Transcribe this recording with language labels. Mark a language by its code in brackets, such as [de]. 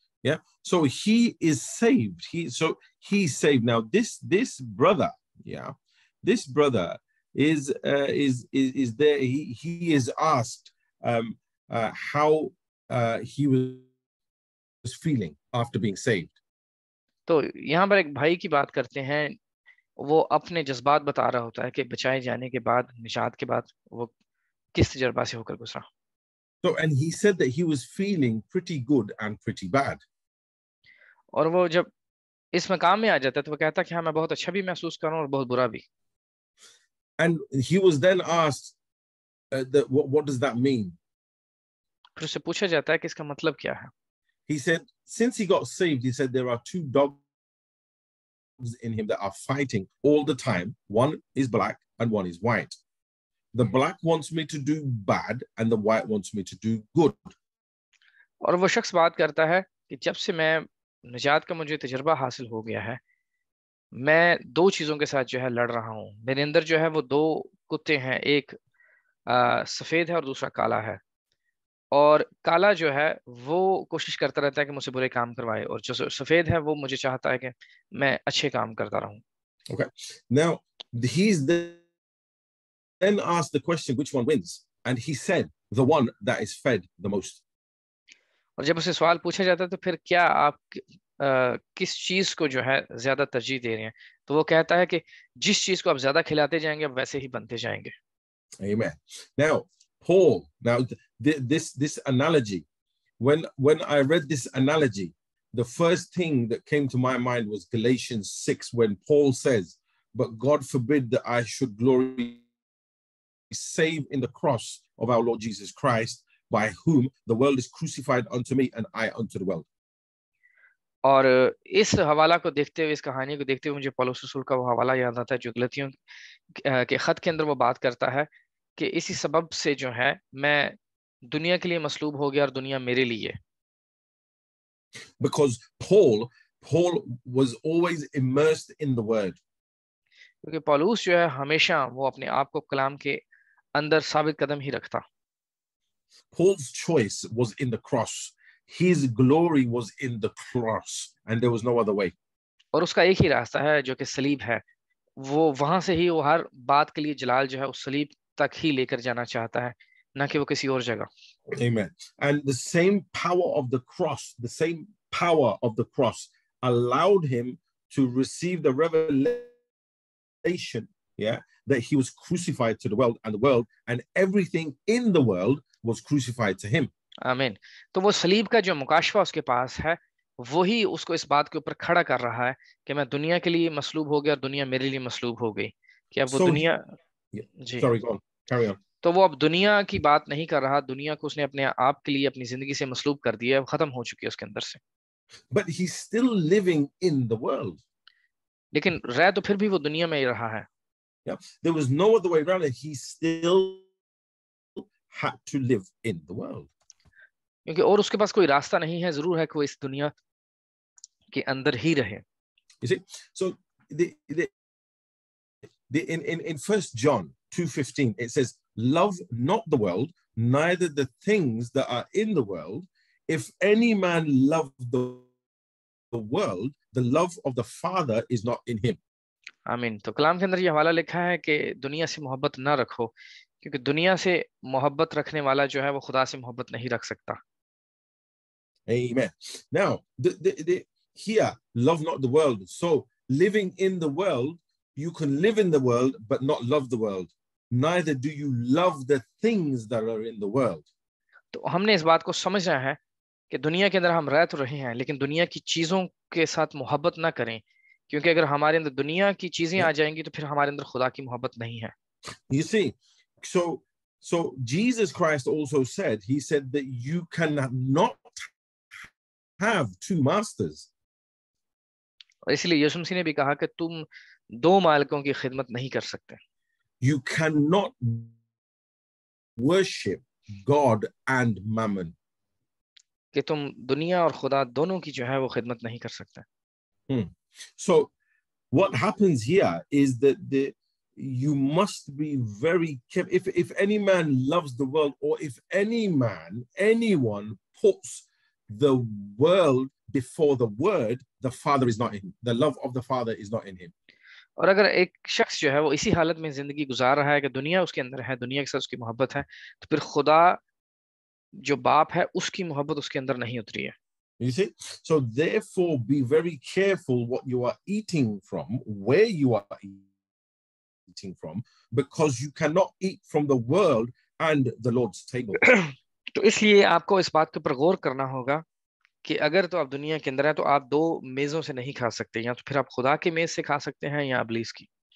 [en] Yeah, so he is saved. He's saved. Now this brother, yeah, this brother is there. He is asked how he was feeling after being saved. [hi] तो यहाँ पर एक भाई की बात करते हैं. वो अपने जज्बात बता रहा होता है कि बचाए जाने के बाद, निजात के बाद, वो किस तजर्बा से होकर गुजरा. [en] So and he said that he was feeling pretty good and pretty bad. [hi] और वो जब इस मकाम में आ जाता है तो वो कहता कि हाँ, मैं बहुत अच्छा भी महसूस कर रहा हूँ और बहुत बुरा भी. [en] And he was then asked, what does that mean? [hi] फिर उसे पूछा जाता है कि इसका मतलब क्या है. [en] He said, since he got saved, he said, there are two dogs in him that are fighting all the time. One is black and one is white. The black wants me to do bad and the white wants me to do good. [hi] और वो शख्स बात करता है कि जब से मैं निजात का मुझे तजर्बा हासिल हो गया है, मैं दो चीजों के साथ जो है लड़ रहा हूँ. मेरे अंदर जो है वो दो कुत्ते हैं, एक सफेद है और दूसरा काला है. और काला जो है वो कोशिश करता रहता है कि मुझसे बुरे काम करवाए, और जो सफेद है वो मुझे चाहता है कि मैं अच्छे काम करता रहूं. [en] Okay. Now, he's then asked the question, which one wins? And he said, the one that is fed the most. [hi] और जब उसे सवाल पूछा जाता है तो फिर क्या आप किस चीज को जो है ज्यादा तरजीह दे रहे हैं, तो वो कहता है कि जिस चीज को आप ज्यादा खिलाते जाएंगे वैसे ही बनते जाएंगे. [en] Amen. Now, Paul, now this analogy, when I read this analogy, the first thing that came to my mind was Galatians 6, when Paul says, but God forbid that I should glory save in the cross of our Lord Jesus Christ, by whom the world is crucified unto me and I unto the world. [hi] और इस हवाला को देखते हुए, इस कहानी को देखते हुए, मुझे पौलुस रसूल का वो हवाला याद आता है जो गलतियों के खत के अंदर वो बात करता है कि इसी सबब से जो है मैं दुनिया के लिए मसलूब हो गया और दुनिया मेरे लिए. [en] Because Paul was always immersed in the word. [hi] क्योंकि पौलुस जो है हमेशा वो अपने आप को कलाम के अंदर साबित कदम ही रखता. [en] Paul's choice was in the cross. His glory was in the cross, and there was no other way. [hi] और उसका एक ही रास्ता है जो कि सलीब है. वो वहां से ही वो हर बात के लिए जलाल जो है उस सलीब तक ही लेकर जाना चाहता है, ना कि वो किसी और जगह. [en] Amen. And the same power of the cross, allowed him to receive the revelation, yeah, that he was crucified to the world, and the world and everything in the world was crucified to him. Amen. [hi] तो वो सलीब का जो मुकाशवा उसके पास है, वही उसको इस बात के ऊपर खड़ा कर रहा है कि मैं दुनिया के लिए मसलूब हो गया और दुनिया मेरे लिए मसलूब हो गई. कि अब वो दुनिया, [en] जी, sorry, go on, carry on. [hi] तो वो अब दुनिया की बात नहीं कर रहा. दुनिया को उसने अपने आप के लिए अपनी जिंदगी से मसलूब कर दिया, खत्म हो चुकी है उसके अंदर से. [en] But he's still living in the world. [hi] लेकिन रह तो फिर भी वो दुनिया में ही रहा है. [en] There was no other way around it. He still had to live in the world. [hi] क्योंकि और उसके पास कोई रास्ता नहीं है, जरूर है कि वो इस दुनिया के अंदर ही रहे. [en] You see, so in 1 John 2:15 it says, love not the world, neither the things that are in the world. If any man love the world, the love of the Father is not in him. [hi] आमीन. तो कलाम के अंदर यह हवाला लिखा है कि दुनिया से मोहब्बत ना रखो, क्योंकि दुनिया से मोहब्बत रखने वाला जो है वो खुदा से मोहब्बत नहीं रख सकता. [en] Amen. Now, here, love not the world. So, living in the world, you can live in the world, but not love the world. neither do you love the things that are in the world. [hi] तो हमने इस बात को समझना है कि दुनिया के अंदर हम रह तो रहे हैं लेकिन दुनिया की चीजों के साथ मोहब्बत ना करें क्योंकि अगर हमारे अंदर दुनिया की चीजें आ जाएंगी तो फिर हमारे अंदर खुदा की मोहब्बत नहीं है. [en] You see, so Jesus Christ also said that you cannot have two masters. [hi] और इसलिए यीशु मसीह ने भी कहा कि तुम दो मालिकों की खिदमत नहीं कर सकते. [en] You cannot worship God and mammon. [hi] कि तुम दुनिया और खुदा दोनों की जो है वो खिदमत नहीं कर सकते. [en] So what happens here is that you must be very careful. If any man loves the world, or if any man, anyone puts the world before the word, the Father is not in him. The love of the Father is not in him. [hi] और अगर एक शख्स जो है वो इसी हालत में जिंदगी गुजार रहा है कि दुनिया उसके अंदर है, दुनिया के साथ उसकी मोहब्बत है, तो फिर खुदा जो बाप है उसकी मोहब्बत उसके अंदर नहीं उतरी है. [en] You see? So therefore, be very careful what you are eating from, where you are eating from, because you cannot eat from the world and the Lord's table. [hi] तो इसलिए आपको इस बात के ऊपर गौर करना होगा कि अगर तो आप दुनिया के अंदर हैं तो आप दो मेजों से नहीं खा सकते, या तो फिर आप खुदा के मेज से खा सकते हैं या इब्लीस की.